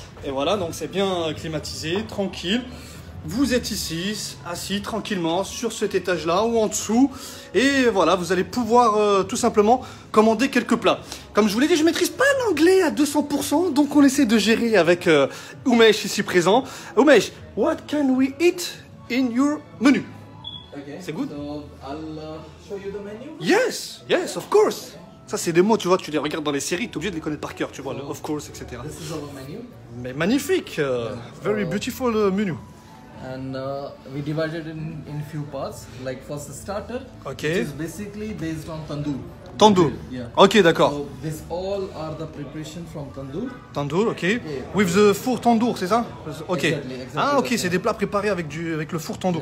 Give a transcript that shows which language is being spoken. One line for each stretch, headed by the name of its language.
French: Et voilà, donc c'est bien climatisé, tranquille. Vous êtes ici, assis tranquillement sur cet étage-là ou en dessous. Et voilà, vous allez pouvoir tout simplement commander quelques plats. Comme je vous l'ai dit, je ne maîtrise pas l'anglais à 200%, donc on essaie de gérer avec Umesh ici présent.
English: Umesh, what can we eat in your menu? Okay.
French: C'est good.
English: So, I'll show you the menu. Yes, yes, of course.
French: Ça, c'est des mots, tu vois, tu les regardes dans les séries, tu es obligé de les connaître par cœur, tu vois, so, le
English: of course,
French: etc.
English: This is our menu.
French: Mais magnifique,
English: yeah. Very beautiful menu. And we divided in few parts, like for the starter, okay. Which is basically based on tandoor. Tandoor, yeah.
French: Ok, d'accord.
English: So, this all are the preparation from tandoor. Tandoor, ok. Yeah. With the four tandoor,
French: c'est ça?
English: Ok. Exactly.
French: Ah, ok, c'est des plats préparés avec le four tandoor.